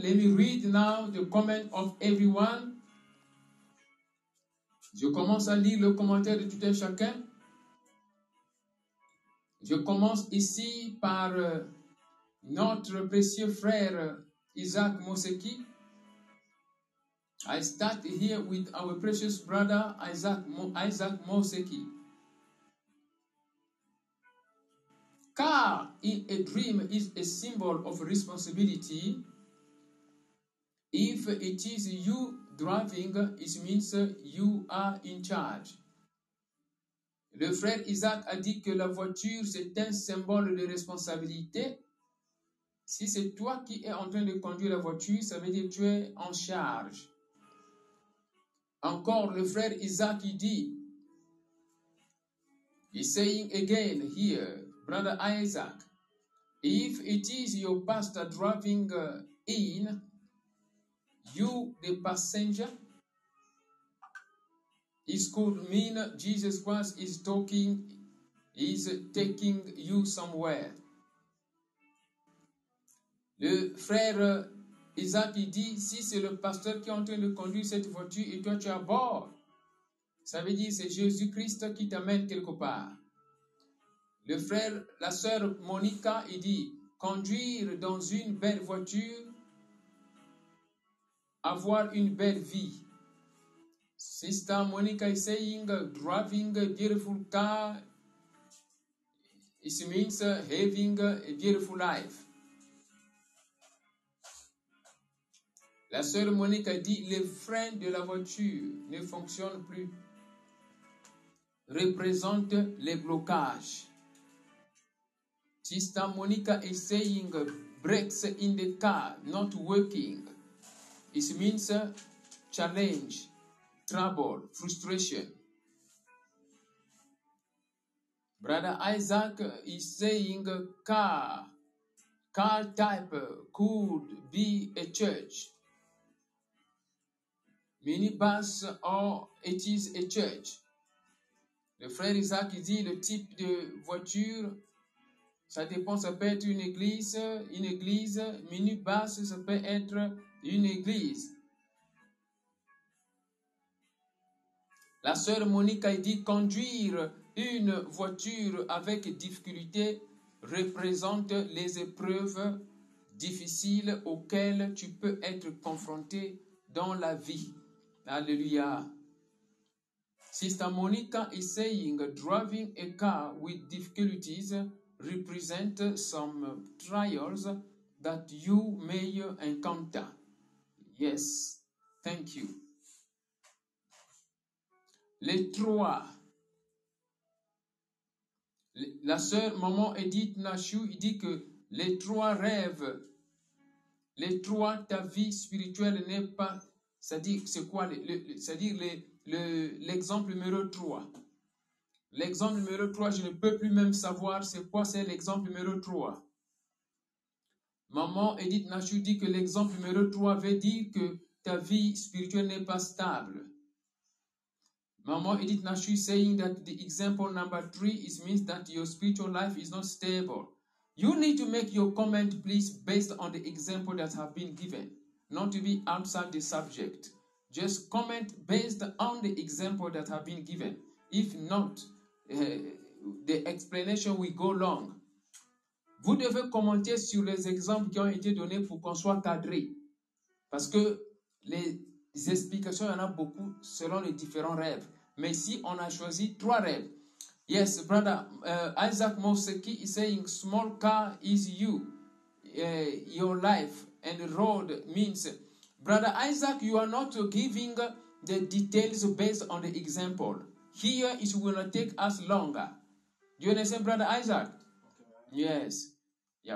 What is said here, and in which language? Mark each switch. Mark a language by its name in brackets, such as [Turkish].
[English] Let me read now the comment of everyone. [French] Je commence à lire le commentaire de tout un chacun. Je commence ici par notre précieux frère Isaac Moseki. [English] I start here with our precious brother Isaac Moseki. Car in a dream is a symbol of responsibility. If it is you driving, it means you are in charge. [French] Le frère Isaac a dit que la voiture, c'est un symbole de responsabilité. Si c'est toi qui es en train de conduire la voiture, ça veut dire que tu es en charge. Encore, le frère Isaac, il dit, [English] he's saying again here, brother Isaac, if it is your pastor driving in, you, the passenger, it could mean Jesus Christ is talking, is taking you somewhere. [French] Le frère Isaac il dit, si c'est le pasteur qui est en train de conduire cette voiture et toi tu es à bord, ça veut dire que c'est Jésus-Christ qui t'amène quelque part. Le frère, la sœur Monica, il dit, conduire dans une belle voiture, avoir une belle vie. [English] Sister Monica is saying, driving a beautiful car, it means having a beautiful life. [French] La sœur Monica dit, les freins de la voiture ne fonctionnent plus, représentent les blocages. [English] Sister Monica is saying, brakes in the car not working. It means challenge, trouble, frustration. Brother Isaac is saying car type could be a church. Minibus or it is a church. [French] Le frère Isaac dit le type de voiture, ça dépend, ça peut être une église, minibus, ça peut être une église. La sœur Monica dit conduire une voiture avec difficulté représente les épreuves difficiles auxquelles tu peux être confronté dans la vie. Alléluia. [English] Sister Monica is saying driving a car with difficulties represents some trials that you may encounter. Yes, thank you. [French] Les trois. La sœur maman Edith Nashu dit que les trois rêves, les trois, ta vie spirituelle n'est pas. C'est-à-dire, c'est quoi? L'exemple numéro 3. L'exemple numéro 3, je ne peux plus même savoir c'est quoi c'est l'exemple numéro 3. Maman Edith Nashu dit que l'exemple numéro 3 veut dire que ta vie spirituelle n'est pas stable. [English] Maman Edith Nashu saying that the example number 3 is means that your spiritual life is not stable. You need to make your comment, please, based on the example that have been given. Not to be outside the subject. Just comment based on the example that have been given. If not, the explanation will go long. [French] Vous devez commenter sur les exemples qui ont été donnés pour qu'on soit cadré. Parce que les explications, il y en a beaucoup selon les différents rêves. Mais ici, on a choisi trois rêves. [English] Yes, brother, Isaac Moseki is saying, small car is you, your life. And road means, Brother Isaac, you are not giving the details based on the example. Here it will not take us longer. Do you understand, Brother Isaac? Okay. Yes. Yeah.